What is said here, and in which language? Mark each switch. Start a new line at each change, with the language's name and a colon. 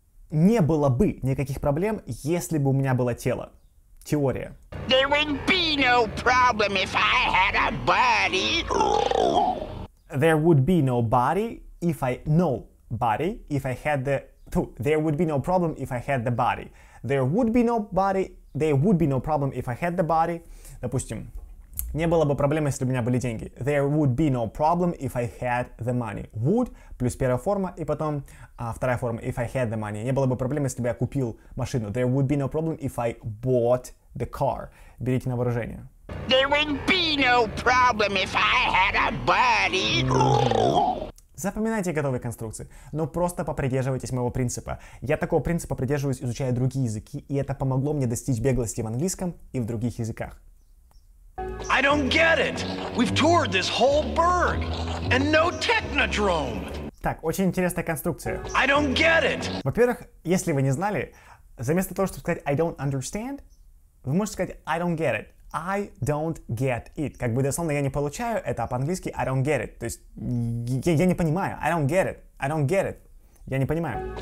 Russian: Не было бы никаких проблем, если бы у меня было тело. Теория.
English: There would be no problem if I had a buddy. There would be no body if I... No. Body, if I had the... There would be no problem if I had the body. There would be no body... There would be no problem if I had the body.
Russian: Допустим, не было бы проблемы, если бы у меня были деньги.
English: There would be no problem if I had the money. Would,
Russian: плюс первая форма, и потом вторая форма,
English: if I had the money.
Russian: Не было бы проблемы, если бы я купил машину.
English: There would be no problem if I bought the car.
Russian: Берите на вооружение.
English: There would be no problem if I had a body.
Russian: Запоминайте готовые конструкции, но просто попридерживайтесь моего принципа. Я такого принципа придерживаюсь, изучая другие языки, и это помогло мне достичь беглости в английском и в других языках.
English: I don't get it. We've toured this whole burg and no technodrome.
Russian: Так, очень интересная конструкция.
English: I don't get it.
Russian: Во-первых, если вы не знали, вместо того, чтобы сказать
English: I don't understand,
Russian: вы можете сказать
English: I don't get it. I don't get it.
Russian: Как бы дословно я не получаю это, а по-английски
English: I don't get it.
Russian: То есть я не понимаю.
English: I don't get it. I don't get it.
Russian: Я не понимаю.